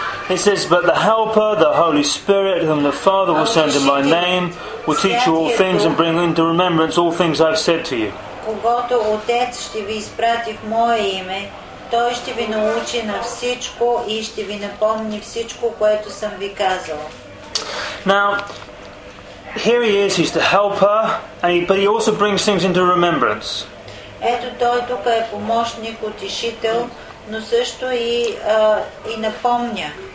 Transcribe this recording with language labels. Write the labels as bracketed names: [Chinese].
[English] It says, but the Helper, the Holy Spirit, whom the Father will send in my name, will teach you all things and bring into remembrance all things I have said to you. [Bulgarian] Когото Отец ще ви изпрати в мое име, той ще ви научи на всичко и ще ви напомни всичко, което съм ви казал. [English] Now, here he is, he's the Helper, but he also brings things into remembrance. [Bulgarian] Ето той тук е помощник, утешител, но също и напомня.